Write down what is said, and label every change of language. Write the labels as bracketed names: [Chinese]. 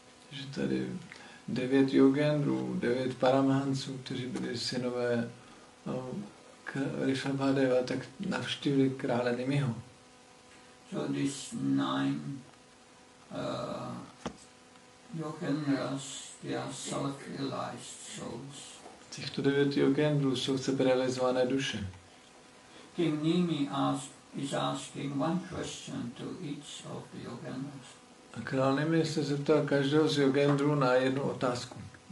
[Czech] Že tady devět Yogendrů, devět Paramahamsů, kteří byli synové Rishabhadeva, tak navštívili krále Nimiho. [English] So these nine Yogendras, they are self-realized souls. [Czech] Těchto devět Yogendrů jsou seberealizované duše. [English] King Nimi is asking one question to each of the Yogendras. [Czech] A král Nimi se zeptal každého z Yogendrů na jednu otázku.